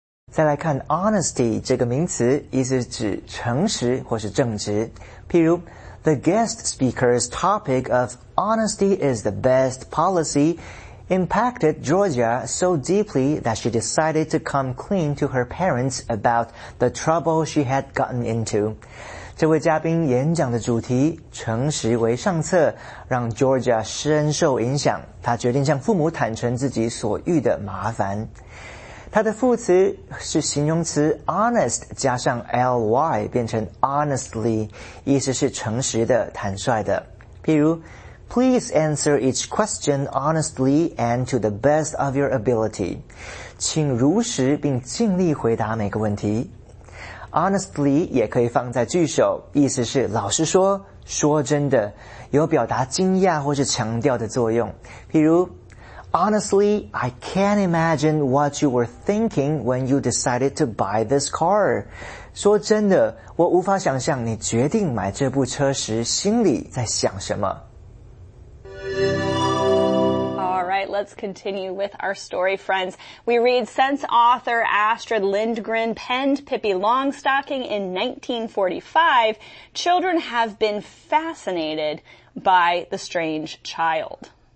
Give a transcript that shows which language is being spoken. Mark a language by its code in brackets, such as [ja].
[zh] 再来看 honesty 这个名词，意思指诚实或是正直。 [en] 譬如 ，The guest speaker's topic of honesty is the best policy impacted Georgia so deeply that she decided to come clean to her parents about the trouble she had gotten into。 [zh] 这位嘉宾演讲的主题“诚实为上策”让 Georgia 深受影响，她决定向父母坦诚自己所遇的麻烦。它的副词是形容词 honest 加上 ly 变成 honestly， 意思是诚实的、坦率的。 [en] 譬如 ，Please answer each question honestly and to the best of your ability， [zh] 请如实并尽力回答每个问题。 Honestly 也可以放在句首，意思是老实说、说真的，有表达惊讶或是强调的作用。譬如。 [en] Honestly, I can't imagine what you were thinking when you decided to buy this car. [zh] 说真的，我无法想象你决定买这部车时心里在想什么。 [en] All right, let's continue with our story, friends. We read, since author Astrid Lindgren penned Pippi Longstocking in 1945, children have been fascinated by the strange child.